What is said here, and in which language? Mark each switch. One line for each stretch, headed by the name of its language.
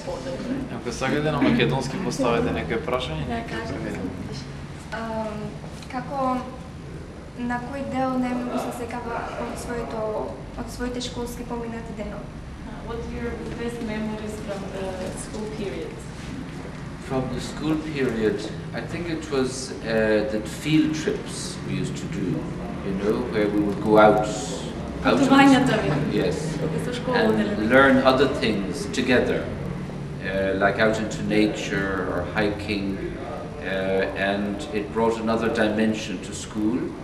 English: If you want to ask a question in Macedonian, please ask a question.
Macedonian: На кој дел најмногу се сеќава од своите школски поминати денови?
English: What are your best memories from the school period? From the school period, I think it was the field trips we used to do, you know, where we would go out.
Macedonian: Патувањата ви.
English: Yes. And learn other things together, like out into nature or hiking, and it brought another dimension to school.